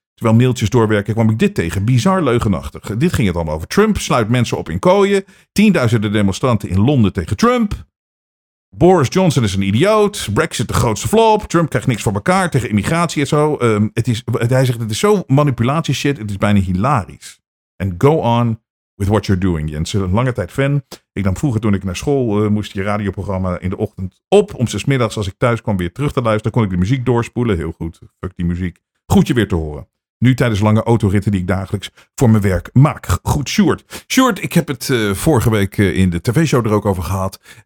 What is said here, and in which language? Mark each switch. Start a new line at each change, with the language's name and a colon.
Dutch: Terwijl mailtjes doorwerken kwam ik dit tegen. Bizar leugenachtig. Dit ging het allemaal over Trump. Sluit mensen op in kooien. Tienduizenden demonstranten in Londen tegen Trump. Boris Johnson is een idioot. Brexit de grootste flop. Trump krijgt niks voor elkaar tegen immigratie en zo. Hij zegt, het is zo manipulatie shit. Het is bijna hilarisch.
English: And go on with what you're doing, Jensen.
Dutch: Een lange tijd fan. Ik nam vroeger toen ik naar school moest je radioprogramma in de ochtend op. Om 6 middags als ik thuis kwam weer terug te luisteren. Kon ik de muziek doorspoelen. Heel goed. Fuck die muziek. Goed je weer te horen. Nu tijdens lange autoritten die ik dagelijks voor mijn werk maak. Goed, Sjoerd. Sjoerd, ik heb het vorige week in de tv-show er ook over gehad.